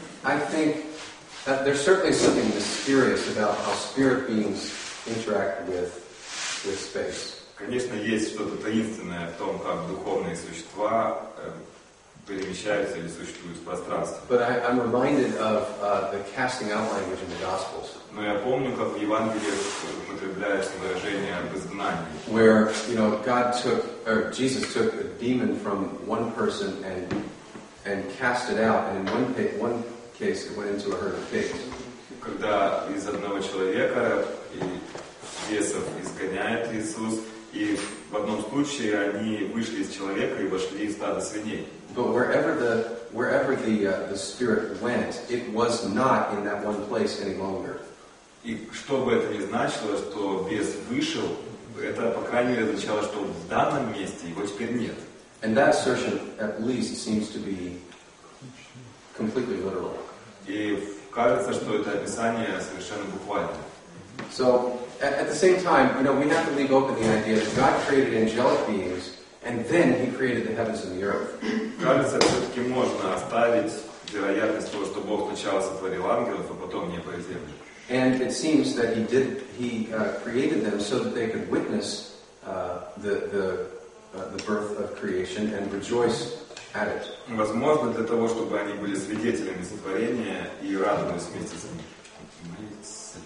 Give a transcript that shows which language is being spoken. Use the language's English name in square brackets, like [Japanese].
[English] I think that there's certainly something mysterious about how spirit beings interact with space. [Russian] Конечно, есть что-то таинственное в том, как духовные существа перемещаются или существуют в пространстве. [English] But I'm reminded of the casting out language in the Gospels. [Russian] Но я помню, как в Евангелиях употребляется выражение об изгнании. [English] Where, you know, God took, or Jesus took a demon from one person and cast it out, and in one case it went into a herd of pigs. [Russian] Когда из одного человека и бесов изгоняет Иисус, и в одном случае они вышли из человека и вошли в стадо свиней. [English] But wherever the spirit went, it was not in that one place any longer. [Russian] И что бы это ни значило, что бес вышел, это, по крайней мере, означало, что в данном месте его теперь нет. [English] And that assertion at least seems to be completely literal. [Russian] И И кажется, что это описание совершенно буквально. [English] So at the same time, you know, we have to leave open the idea that God created angelic beings and then he created the heavens and the earth. [Russian] Кажется, все-таки можно оставить вероятность того, что Бог сначала сотворил ангелов, а потом небо и землю. [English] And it seems that he created them so that they could witness the birth of creation and rejoice at it. [Russian] Возможно, для того, чтобы они были свидетелями сотворения и радовались вместе с ними.